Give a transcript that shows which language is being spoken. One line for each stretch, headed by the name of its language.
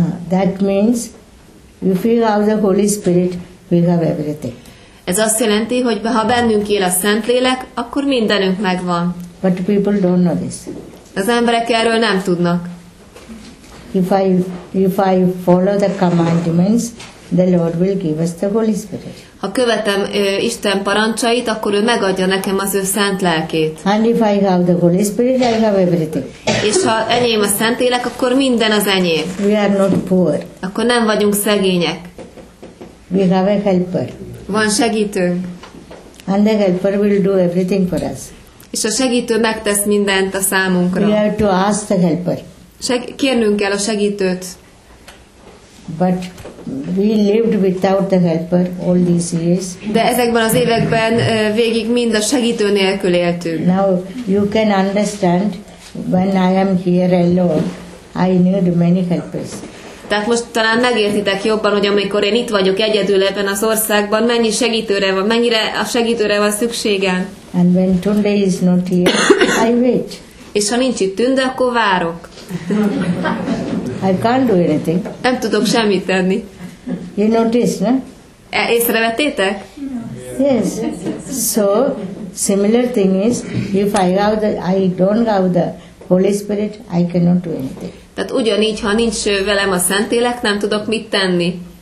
English: That means, if we have the Holy Spirit, we have everything.
Hungarian: Ez azt jelenti, hogy ha bennünk él a Szentlélek, akkor mindenünk megvan.
English: But people don't know this.
Hungarian: Az emberek erről nem tudnak.
English: If I follow the commandments, the Lord will give us the Holy Spirit.
Hungarian: Ha követem Isten parancsait, akkor ő megadja nekem az ő Szent Lelkét.
English: And if I have the Holy Spirit, I have everything.
Hungarian: És ha enyém a Szentlélek, akkor minden az enyém.
English: We are not poor.
Hungarian: Akkor nem vagyunk szegények.
English: We have a helper.
Hungarian: Van segítő.
English: And the helper will do everything for us.
Hungarian: És a segítő megtesz mindent a számunkra.
English: We have to ask the helper.
Hungarian: Kérnünk kell a segítőt.
English: But we lived without the helper all these years.
Hungarian: De ezekben az években végig mind a segítő nélkül éltünk.
English: Now you can understand when I am here alone, I need many helpers.
Hungarian: Tehát most talán megértitek jobban, hogy amikor én itt vagyok egyedül ebben az országban, mennyi segítőre van, mennyire a segítőre van szükségem.
English: And when Tunde is not here, I wait.
Hungarian: És ha nincs itt Tünde, akkor várok.
English: I can't do anything.
Hungarian: Nem tudok semmit tenni.
English: You notice, no?
Hungarian: Észrevettétek?
English: Yes. So, similar thing is, if I don't have the Holy Spirit, I cannot do anything.
Hungarian: Tehát ugyanígy, ha nincs velem a Szentlélek, nem tudok mit tenni.